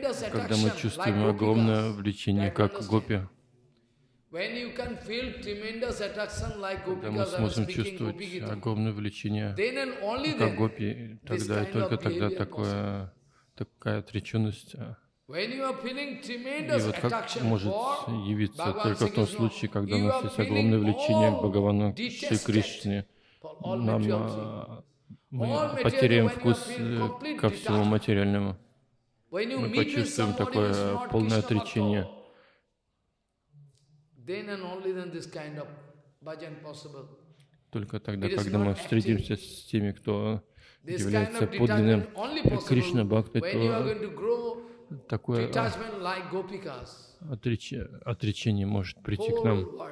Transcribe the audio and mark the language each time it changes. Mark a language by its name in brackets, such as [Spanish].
[Russian] Когда мы чувствуем огромное влечение, как гопи, [English] when you can feel tremendous attraction like gopi, [Russian] мы сможем чувствовать огромное влечение, как гопи, тогда и только тогда такое, такая отреченность. И вот как может явиться только в том случае, когда у нас есть огромное влечение к Бхагавану Шри Кришне, нам мы потеряем вкус ко всему материальному. Мы почувствуем такое полное отречение. [English] Then and only then this kind of bhajan possible. [Russian] только тогда, когда мы встретимся с теми, кто является подлинным Кришна Бхакти, то такое отречение может прийти к нам.